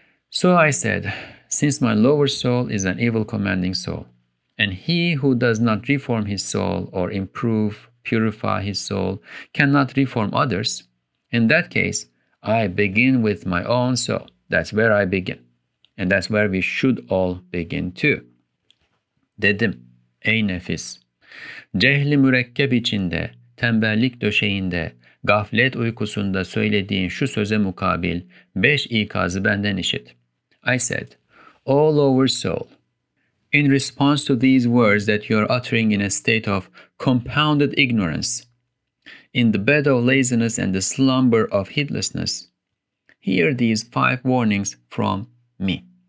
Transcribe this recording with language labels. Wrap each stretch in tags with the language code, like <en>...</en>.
<en>So I said, since my lower soul is an evil commanding soul, and he who does not reform his soul or improve, purify his soul, cannot reform others, in that case, I begin with my own soul. That's where I begin. And that's where we should all begin too.</en> <tr>Dedim, ey nefis, cehli mürekkep içinde, tembellik döşeğinde, gaflet uykusunda söylediğin şu söze mukabil, beş ikazı benden işit.</tr> <en>I said, O lower soul, in response to these words that you are uttering in a state of compounded ignorance, in the bed of laziness and the slumber of heedlessness, hear these five warnings from me.</en>